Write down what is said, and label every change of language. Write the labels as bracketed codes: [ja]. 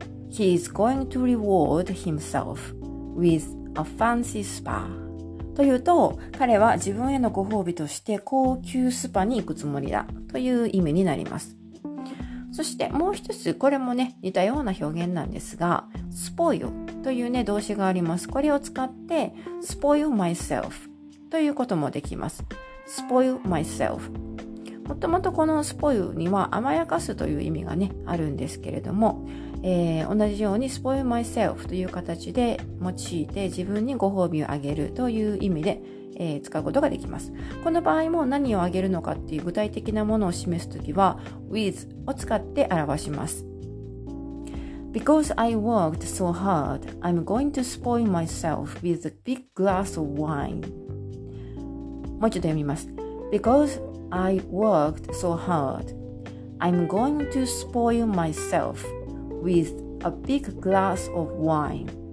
[en] He is going to reward himself with a fancy spa. [ja] というと、彼は自分へのご褒美として高級スパに行くつもりだという意味になります。そしてもう一つ、これもね、似たような表現なんですが、spoil というね、動詞があります。これを使って、 [en] spoil myself [ja] ということもできます。 [en] spoil myself。 [ja] もともとこの spoil には甘やかすという意味がね、あるんですけれども、同じように [en] spoil myself [ja] という形で用いて自分にご褒美をあげるという意味で、使うことができます。この場合も何をあげるのかっていう具体的なものを示すときは with を使って表します。 [en] Because I worked so hard, I'm going to spoil myself with a big glass of wine. [ja] もう一度読みます。 [en] Because I worked so hard, I'm going to spoil myselfwith a big glass of wine.